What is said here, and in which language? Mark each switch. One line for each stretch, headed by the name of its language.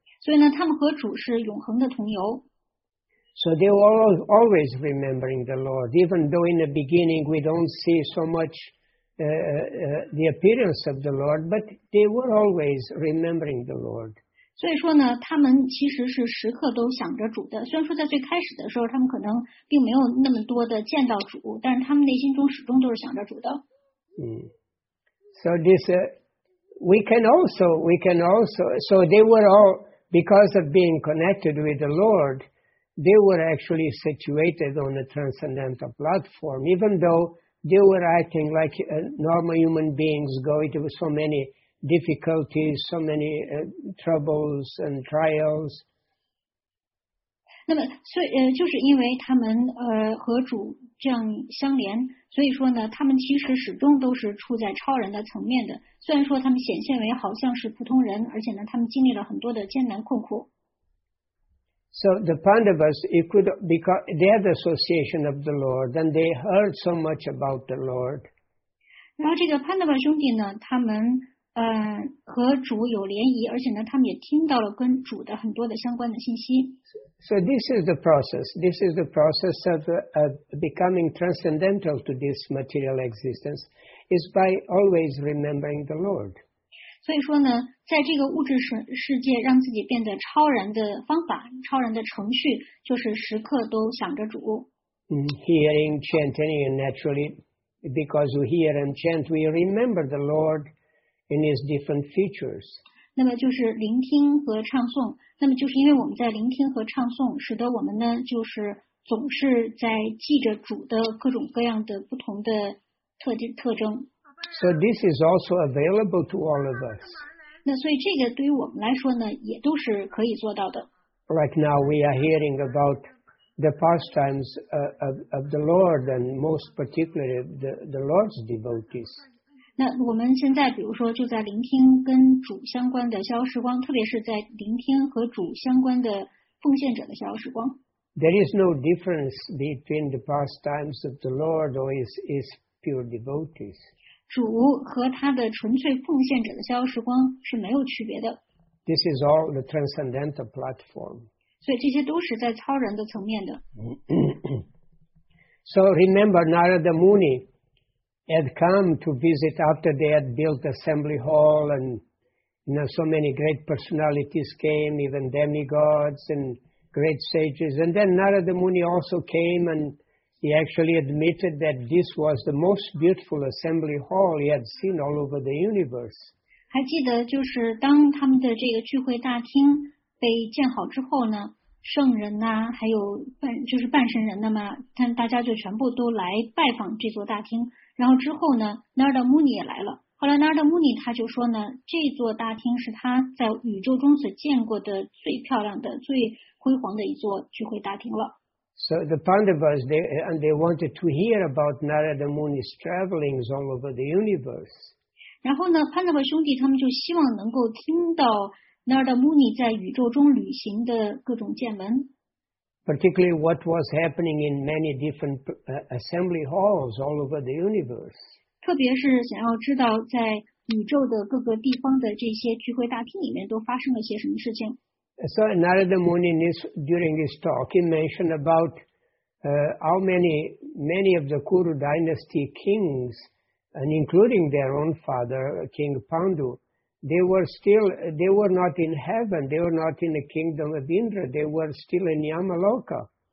Chinese: 所以呢，他们和主是永恒的同游。
English: So they were always remembering the Lord, even though in the beginning we don't see so much the appearance of the Lord, but they were always remembering the Lord.
Chinese: 所以说呢，他们其实是时刻都想着主的。虽然说在最开始的时候，他们可能并没有那么多的见到主，但是他们内心中始终都是想着主的。
English: So this, we can also, they were all, because of being connected with the Lord, they were actually situated on a transcendental platform, even though they were acting like normal human beings going through so many difficulties, so many troubles and trials.
Chinese: 那么，所以就是因为他们和主这样相连，所以说呢，他们其实始终都是处在超人的层面的。虽然说他们显现为好像是普通人，而且呢，他们经历了很多的艰难困苦。
English: So the Pandavas, it could because they had association of the Lord, then they heard so much about the Lord.
Chinese: 然后这个 Pandava 兄弟呢，他们和主有联谊，而且呢，他们也听到了跟主的很多的相关的信息。
English: So this is the process. This is the process of becoming transcendental to this material existence is by always remembering the Lord.
Chinese: 所以说呢，在这个物质世界让自己变得超然的方法，超然的程序，就是时刻都想着主。
English: Hearing, chanting, and naturally, because we hear and chant, we remember the Lord in His different features.
Chinese: 那么就是聆听和唱诵。那么就是因为我们在聆听和唱诵，使得我们呢，就是总是在记着主的各种各样的不同的特征。
English: So this is also available to all of us.
Chinese: 那所以这个对于我们来说呢，也都是可以做到的。
English: Like now we are hearing about the pastimes of the Lord and most particularly the Lord's devotees.
Chinese: 那我们现在比如说就在聆听跟主相关的逍遥时光，特别是在聆听和主相关的奉献者的逍遥时光。
English: There is no difference between the pastimes of the Lord or his pure devotees.
Chinese: 主和他的纯粹奉献者的逍遥时光是没有区别的。
English: This is all the transcendental platform.
Chinese: 所以这些都是在超然的层面的。
English: So remember Narada Muni. Had come to visit after they had built the assembly hall, and you know, so many great personalities came, even demigods and great sages. And then Narada Muni also came, and he actually admitted that this was the most beautiful assembly hall he had seen all over the universe.
Chinese: 还记得就是当他们的这个聚会大厅被建好之后呢，圣人呐、啊，还有就是半神人的嘛，但大家就全部都来拜访这座大厅。然后之后呢 ，Narada Muni 也来了。后来 Narada Muni 他就说呢，这座大厅是他在宇宙中所见过的最漂亮的、最辉煌的一座聚会大厅了。
English: So the Pandavas they wanted to hear about Narada Muni's travelings all over the universe.
Chinese: 然后呢 ，Pandava 兄弟他们就希望能够听到 Narada Muni 在宇宙中旅行的各种见闻。
English: Particularly what was happening in many different assembly halls all over the universe.
Chinese: 特别是想要知道在宇宙的各个地方的这些聚会大厅里面都发生了些什么事情。
English: So Narada Muni during his talk, he mentioned about how many of the Kuru dynasty kings, and including their own father, King Pandu,they were not in heaven, they were not in the kingdom of Indra, they were still in Yamaloka.